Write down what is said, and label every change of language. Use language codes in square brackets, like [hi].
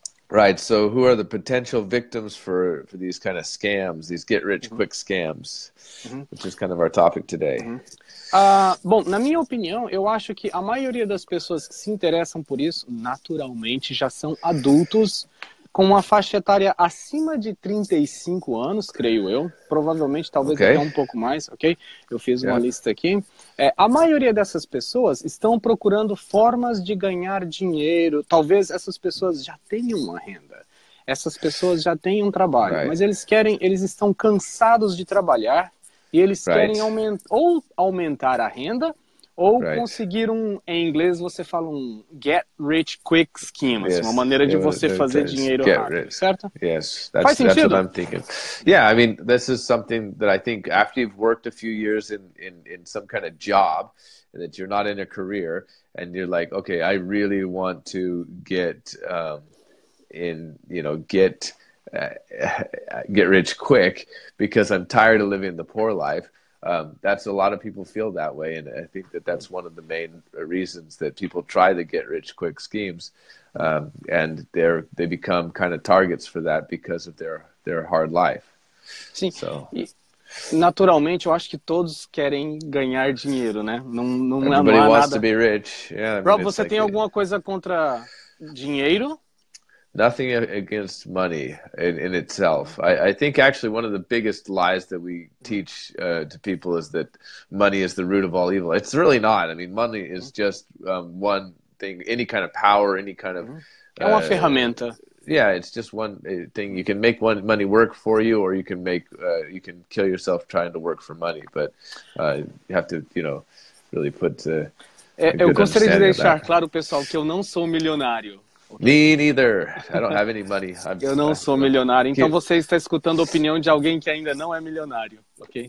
[en] Right, so who are the potential victims for these kind of scams, these get-rich-quick scams, which is kind of our topic today. [pt] Bom, na minha opinião, eu acho que a maioria das pessoas que se interessam por isso, naturalmente, já são adultos, com uma faixa etária acima de 35 anos, creio eu. Provavelmente, talvez até um pouco mais, ok? Eu fiz uma lista aqui. A maioria dessas pessoas estão procurando formas de ganhar dinheiro. Talvez essas pessoas já tenham uma renda. Essas pessoas já têm um trabalho. [en] Right. [pt] Mas eles estão cansados de trabalhar. E eles querem aumentar a renda. Ou conseguir em inglês você fala [en] get rich quick scheme, [pt] uma maneira de você fazer dinheiro rápido, certo? [en] Yes, that's what I'm thinking. Yeah, I mean, this is something that I think after you've worked a few years in some kind of job, that you're not in a career, and you're like, okay, I really want to get rich quick because I'm tired of living the poor life. That's a lot of people feel that way, and I think that that's one of the main reasons that people try the get-rich-quick schemes, and they become kind of targets for that because of their hard life. [pt] Sim. [en] So. [pt] Naturalmente, eu acho que todos querem ganhar dinheiro, né? Não [en] Everybody [pt] não há [en] wants [pt] nada. [en] To be rich. Yeah, [pt] Rob, você tem alguma coisa contra dinheiro? [en] Nothing against money in itself. I think actually one of the biggest lies that we teach to people is that money is the root of all evil. It's really not. I mean, money is just one thing, any kind of power, any kind of... [pt] É uma ferramenta. [en] Yeah, it's just one thing. You can make money work for you, or you can you can kill yourself trying to work for money. But you have to, really put... [pt] Eu gostaria de deixar claro, pessoal, que eu não sou milionário. [en] Me neither. I don't have any money. [pt] Eu não sou milionário. Então você está escutando a opinião de alguém que ainda não é milionário, ok?